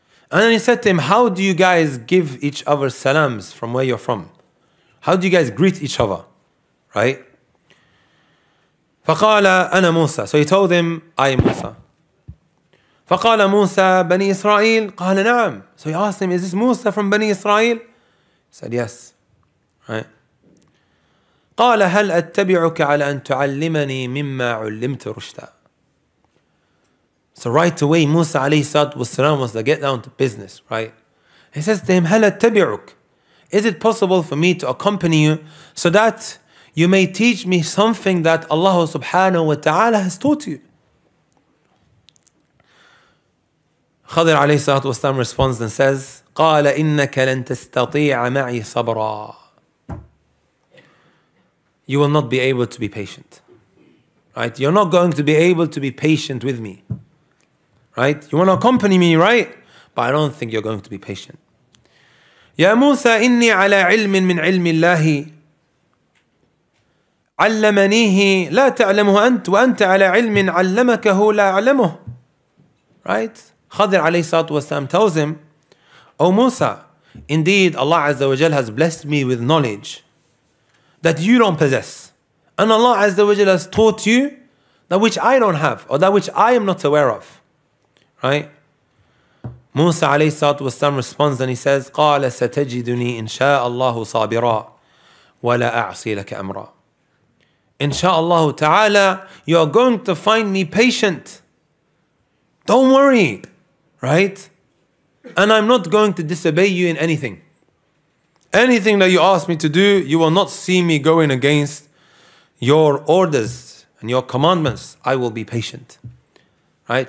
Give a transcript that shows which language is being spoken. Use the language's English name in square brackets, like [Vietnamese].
[English] And then he said to him, how do you guys give each other salams from where you're from? How do you guys greet each other? Right? [Arabic] فَقَالَ أَنَا مُوسَى. [English] So he told him, I am Musa. [Arabic] فَقَالَ مُوسَى بَنِي إِسْرَائِيلِ قَالَ نَعَمْ. [English] So he asked him, is this Musa from Bani Israel? He said, yes. [Arabic] قال هل أتبعك على أن تعلمني مما علمت رشدا. [English] So right away Musa عليه الصلاة والسلام was to get down to business, right? He says to him, [Arabic] هل أتبعك, [English] is it possible for me to accompany you so that you may teach me something that Allah سبحانه وتعالى has taught you? [Arabic] خضر عليه الصلاة والسلام [English] responds and says, [Arabic] قال إنك لن تستطيع معي صبرا. [English] You will not be able to be patient. right? You're not going to be able to be patient with me, right? You want to accompany me, right? But I don't think you're going to be patient. [Arabic] Ya Musa, inni ala ilmin min ilmi Allahi. عَلَّمَنِيهِ لَا تَعْلَمُهُ أَنْتُ وَأَنْتَ عَلَىٰ عِلْمٍ عَلَّمَكَهُ لَا عَلَمُهُ. [English] Right? Khidr alayhi salatu wasalam tells him, O Musa, indeed Allah Azza wa Jal has blessed me with knowledge that you don't possess. And Allah Azza wa Jal has taught you that which I don't have or that which I am not aware of. Right? Musa alayhi salatu wasalam responds and he says, [Arabic] قَالَ سَتَجِدُنِي إِنْ شَاءَ اللَّهُ صَابِرًا وَلَا أَعْصِي لَكَ أَمْرًا. [English] Insha'Allah ta'ala, you are going to find me patient. Don't worry, right? And I'm not going to disobey you in anything. Anything that you ask me to do, you will not see me going against your orders and your commandments. I will be patient. Right?